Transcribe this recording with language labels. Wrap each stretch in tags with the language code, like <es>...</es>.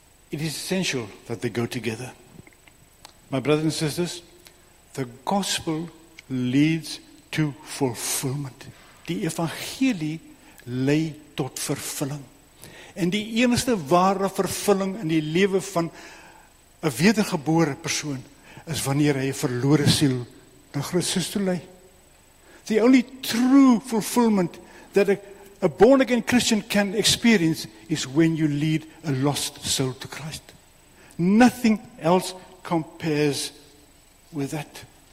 <en>It is essential that they go together. My brothers and sisters, the gospel leads to fulfillment.</en> <af>Die evangelie lei tot vervulling. En die enigste ware vervulling in die lewe van 'n wedergebore persoon is wanneer hy 'n verlore siel na Christus toe lei.</af> <en>The only true fulfillment that a born-again Christian can experience is when you lead a lost soul to Christ. Nothing else compares with that.</en>